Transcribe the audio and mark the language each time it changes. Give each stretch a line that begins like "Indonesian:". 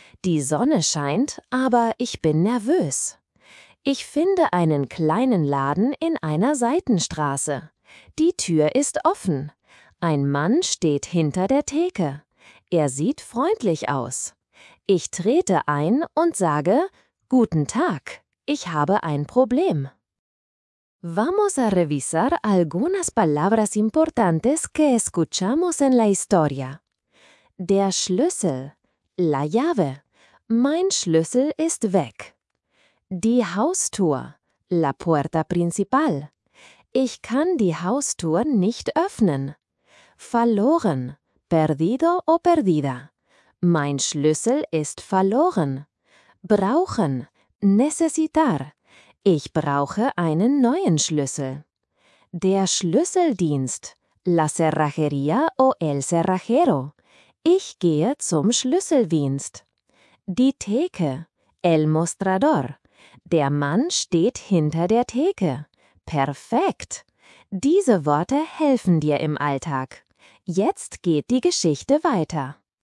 German: Die Sonne scheint, aber ich bin nervös. Ich finde einen kleinen Laden in einer Seitenstraße. Die Tür ist offen. Ein Mann steht hinter der Theke. Er sieht freundlich aus. Ich trete ein und sage, guten Tag. Ich habe ein Problem.
Spanish: Vamos a revisar algunas palabras importantes que escuchamos en la historia.
German: Der Schlüssel, la llave. Mein Schlüssel ist weg. Die Haustür, la puerta principal. Ich kann die Haustür nicht öffnen. Verloren,
Spanish: perdido o perdida.
German: Mein Schlüssel ist verloren. Brauchen, necesitar. Ich brauche einen neuen Schlüssel. Der Schlüsseldienst,
Spanish: la cerrajería o el cerrajero.
German: Ich gehe zum Schlüsseldienst. Die Theke, el mostrador. Der Mann steht hinter der Theke. Perfekt! Diese Worte helfen dir im Alltag. Jetzt geht die Geschichte weiter.